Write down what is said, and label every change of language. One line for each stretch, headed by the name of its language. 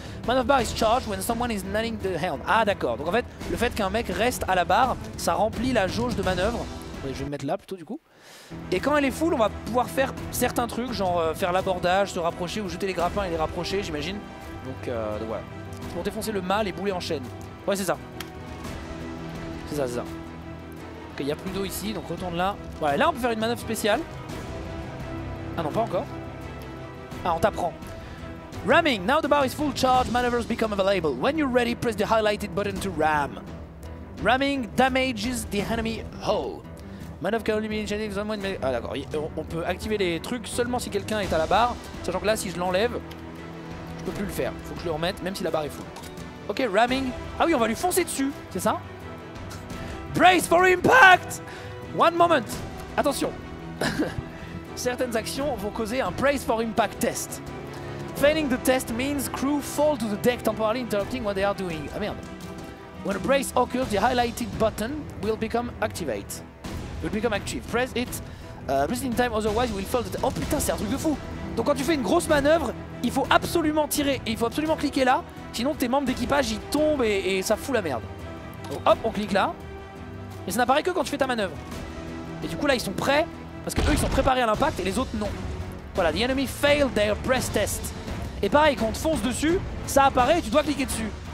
English: Manœuvre bar is charged when someone is manning the helm.
French: Ah d'accord, donc en fait, le fait qu'un mec reste à la barre, ça remplit la jauge de manœuvre. Je vais le mettre là plutôt du coup. Et quand elle est full, on va pouvoir faire certains trucs, genre faire l'abordage, se rapprocher ou jeter les grappins et les rapprocher, j'imagine. Donc voilà. C'est pour défoncer le mât, les boulets en chaîne. Ouais, c'est ça. C'est ça. Ok, il n'y a plus d'eau ici, donc retourne là. Ouais, là on peut faire une manœuvre spéciale. Ah non, pas encore. Ah, on t'apprend.
English: Ramming, now the bar is full charge, maneuvers become available. When you're ready, press the highlighted button to ram. Ramming damages the enemy hull. Manœuvre can only be initiated on one.
French: Ah d'accord, on peut activer les trucs seulement si quelqu'un est à la barre. Sachant que là, si je l'enlève, je peux plus le faire. Faut que je le remette, même si la barre est full. Ok, ramming. Ah oui, on va lui foncer dessus, c'est ça?
English: Brace for impact! One moment! Attention!
French: Certaines actions vont causer un
English: brace for impact test. Failing the test means crew fall to the deck temporarily interrupting what they are doing.
French: Ah merde.
English: When a brace occurs, the highlighted button will become activate. Will become active. Press it. Press it in time, otherwise you will fall.
French: Oh putain, c'est un truc de fou. Donc quand tu fais une grosse manœuvre, il faut absolument tirer et il faut absolument cliquer là. Sinon tes membres d'équipage ils tombent et ça fout la merde. Donc, hop, on clique là. Et ça n'apparaît que quand tu fais ta manœuvre. Et du coup là ils sont prêts, parce que eux ils sont préparés à l'impact et les autres non. Voilà,
English: the enemy failed their press test.
French: Et pareil, quand on te fonce dessus, ça apparaît et tu dois cliquer dessus.